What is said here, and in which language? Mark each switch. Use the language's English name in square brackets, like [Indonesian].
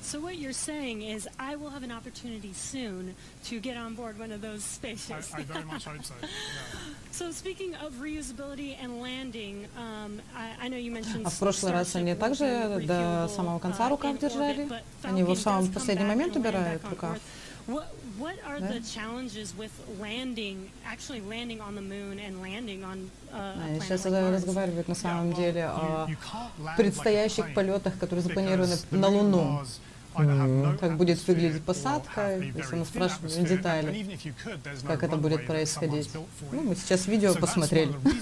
[English] So what you're saying is I will have an opportunity soon to get on board one of those spaceships. I very much hope so. Yeah. So speaking of reusability and landing, I know you mentioned. [Russian] А в прошлый раз они также до самого конца рукав держали. Они его в самом последний момент убирают рукав. [English] What are the challenges with landing, actually landing on the moon and landing on a planet like Mars? [Russian] Разговаривают на самом деле о предстоящих полетах, которые запланированы на Луну. Как будет выглядеть посадка, если мы спрашиваем детали, как это будет происходить. Ну, мы сейчас видео посмотрели.